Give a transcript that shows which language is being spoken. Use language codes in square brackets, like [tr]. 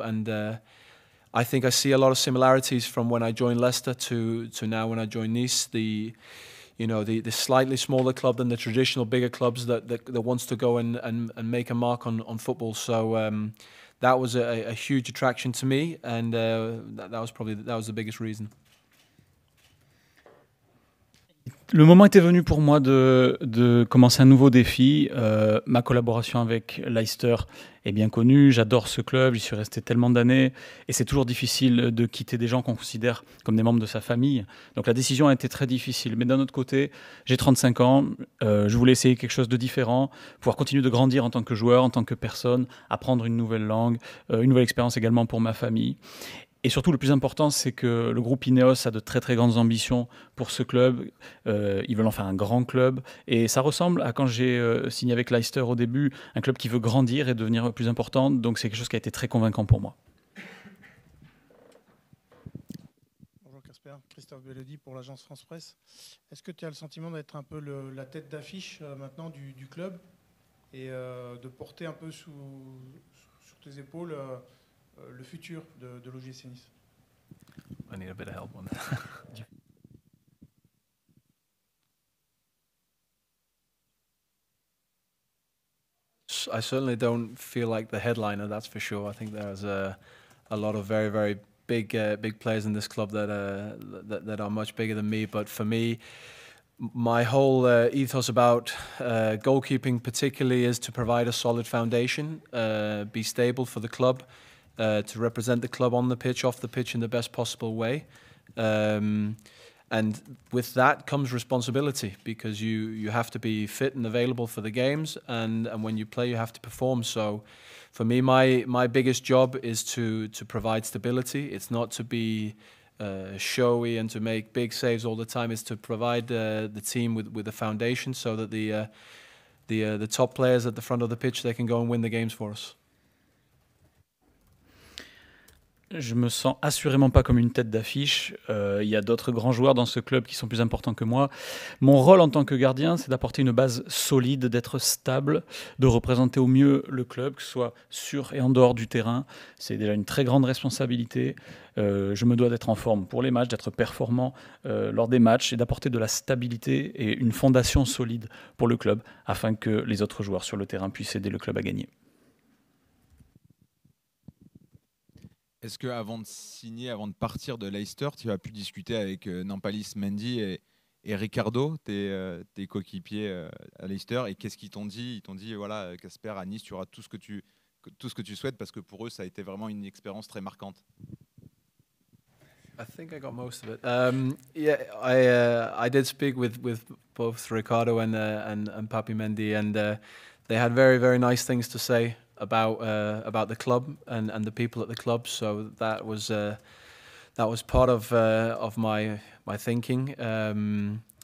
[en] And I think I see a lot of similarities from when I joined Leicester to now when I joined Nice. The slightly smaller club than the traditional bigger clubs that wants to go and make a mark on football. So that was a huge attraction to me, and that was probably the biggest reason. [fr] Le moment était venu pour moi de commencer un nouveau défi. Ma collaboration avec Leicester est bien connue. J'adore ce club, j'y suis resté tellement d'années. Et c'est toujours difficile de quitter des gens qu'on considère comme des membres de sa famille. Donc la décision a été très difficile. Mais d'un autre côté, j'ai 35 ans, je voulais essayer quelque chose de différent, pouvoir continuer de grandir en tant que joueur, en tant que personne, apprendre une nouvelle langue, une nouvelle expérience également pour ma famille. Et surtout, le plus important, c'est que le groupe Ineos a de très, très grandes ambitions pour ce club. Ils veulent en faire un grand club. Et ça ressemble à quand j'ai signé avec Leicester au début, un club qui veut grandir et devenir plus important. Donc, c'est quelque chose qui a été très convaincant pour moi. Bonjour, Casper. Christophe Bellody pour l'agence France Presse. Est-ce que tu as le sentiment d'être un peu la tête d'affiche maintenant du club et de porter un peu sur tes épaules le futur de l'OGC Nice? [en] I need a bit of help on that. I certainly don't feel like the headliner, that's for sure. I think there's a lot of very, very big players in this club that are much bigger than me. But for me, my whole ethos about goalkeeping particularly is to provide a solid foundation, be stable for the club, to represent the club on the pitch, off the pitch, in the best possible way. And with that comes responsibility, because you have to be fit and available for the games, and when you play, you have to perform. So for me, my biggest job is to provide stability. It's not to be showy and to make big saves all the time. It's to provide the team with a foundation so that the top players at the front of the pitch, they can go and win the games for us. [fr] Je me sens assurément pas comme une tête d'affiche. Il y a d'autres grands joueurs dans ce club qui sont plus importants que moi. Mon rôle en tant que gardien, c'est d'apporter une base solide, d'être stable, de représenter au mieux le club, que ce soit sur et en dehors du terrain. C'est déjà une très grande responsabilité. Je me dois d'être en forme pour les matchs, d'être performant lors des matchs et d'apporter de la stabilité et une fondation solide pour le club afin que les autres joueurs sur le terrain puissent aider le club à gagner. Est-ce que avant de signer, avant de partir de Leicester, tu as pu discuter avec Nampalis, Mendy et Ricardo, tes coéquipiers à Leicester, et qu'est-ce qu'ils t'ont dit? Ils t'ont dit, voilà, Casper, à Nice, tu auras tout ce que tu souhaites, parce que pour eux, ça a été vraiment une expérience très marquante. [en] I think I got most of it. I did speak with both Ricardo and Papi Mendy, and they had very, very nice things to say about the club and the people at the club. So that was part of my thinking.